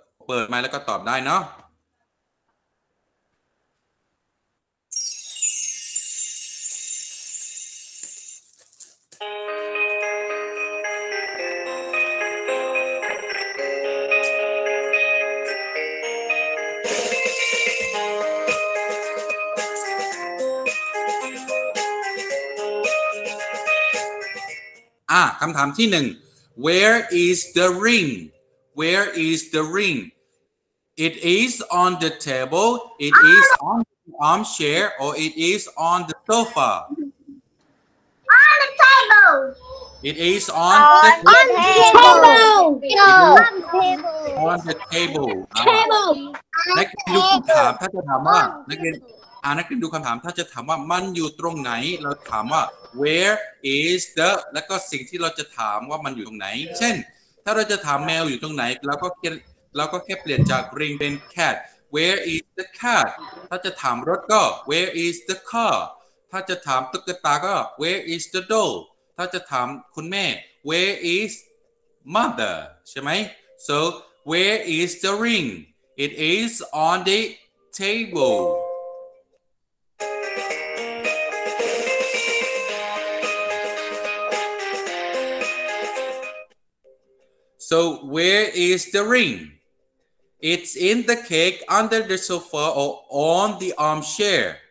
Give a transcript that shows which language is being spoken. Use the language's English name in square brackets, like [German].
[Thai] เปิดไมค์แล้วก็ตอบได้เนาะคำถามที่หนึ่ง [English] Where is the ring? Where is the ring? It is on the table. It is on the armchair or it is on the sofa. On the table. It is on the table. On the table. On the table. Table. [Thai] นักเรียนดูคำถามถ้าจะถามว่านักเรียนนักเรียนดูคำถามถ้าจะถามว่ามันอยู่ตรงไหนเราถามว่า [English] Where is the [Thai] แล้วก็สิ่งที่เราจะถามว่ามันอยู่ตรงไหนเช่นถ้าเราจะถามแมวอยู่ตรงไหนเราก็แค่เปลี่ยนจาก ring เป็น cat [English] Where is the cat [Thai] ถ้าจะถามรถก็ [English] Where is the car [Thai] ถ้าจะถามตุ๊กตาก็ [English] Where is the doll [Thai] ถ้าจะถามคุณแม่ [English] Where is mother [Thai] ใช่ไหม [English] So where is the ring It is on the tableSo where is the ring? It's in the cake, under the sofa, or on the armchair?